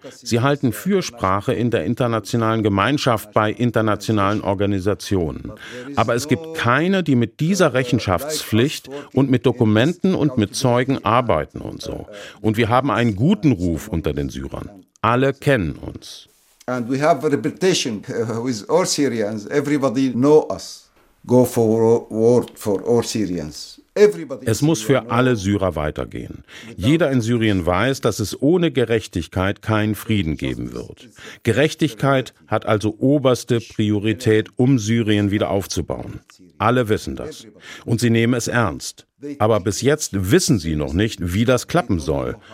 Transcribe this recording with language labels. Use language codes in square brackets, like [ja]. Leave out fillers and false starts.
[de] Sie halten Fürsprache in der internationalen Gemeinschaft bei internationalen Organisationen. Aber es gibt keine, die mit dieser Rechenschaftspflicht und mit Dokumenten und mit Zeugen arbeiten und so. Und wir haben einen guten Ruf unter den Syrern. Alle kennen uns. [en] And we have a reputation with all Syrians. Everybody knows us. Go for work for all Syrians. [de] Es muss für alle Syrer weitergehen. Jeder in Syrien weiß, dass es ohne Gerechtigkeit keinen Frieden geben wird. Gerechtigkeit hat also oberste Priorität, um Syrien wieder aufzubauen. Alle wissen das. Und sie nehmen es ernst. Aber bis jetzt wissen sie noch nicht, wie das klappen soll.